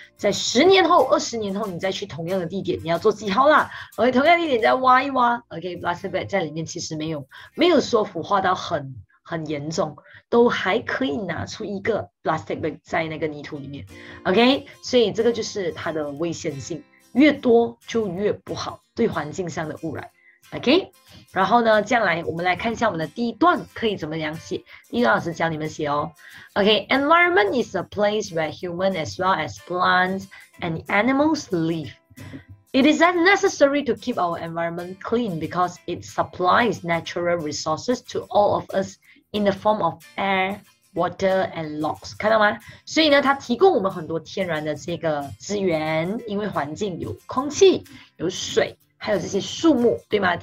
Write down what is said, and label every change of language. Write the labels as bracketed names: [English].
[Chinese] 在10年后、20年后，你再去同样的地点，你要做记号啦 ，OK， 同样的地点再挖一挖 ，OK， plastic bag 在里面其实没有说腐化到很严重，都还可以拿出一个 plastic bag 在那个泥土里面 ，OK， 所以这个就是它的危险性。越多就越不好，对环境上的污染 ，OK。然后呢，接下来我们来看一下我们的第一段可以怎么样写。第一段老师教你们写哦 ，OK。 [English] Environment is a place where human as well as plants and animals live. It is necessary to keep our environment clean because it supplies natural resources to all of us in the form of air, water and logs， [Chinese] 看到吗？所以呢，它提供我们很多天然的这个资源，因为环境有空气、有水，还有这些树木，对吗？